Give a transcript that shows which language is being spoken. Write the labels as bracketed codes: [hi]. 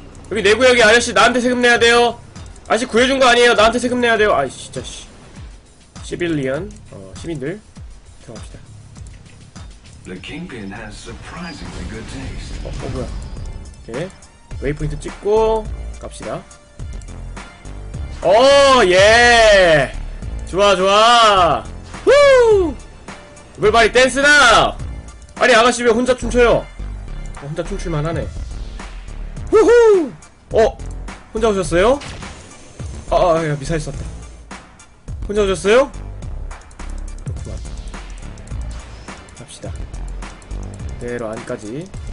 [ko] 여기 내구역이 아저씨 나한테 세금 내야 돼요. 아저씨 구해준 거 아니에요. 나한테 세금 내야 돼요. 아이 진짜 씨. 시빌리언 시민들 들어갑시다. [en] The kingpin has surprisingly good taste. [ko] 어 뭐야? 오케이 웨이포인트 찍고 갑시다. 오 예 좋아 좋아. [en] 후 Everybody dance now. [ko] 아니 아가씨 왜 혼자 춤춰요? 혼자 춤출만 하네. 후후. 어? 혼자 오셨어요? 아 미사일 쐈다. 혼자 오셨어요? 그렇구만. 갑시다. 그대로 안까지.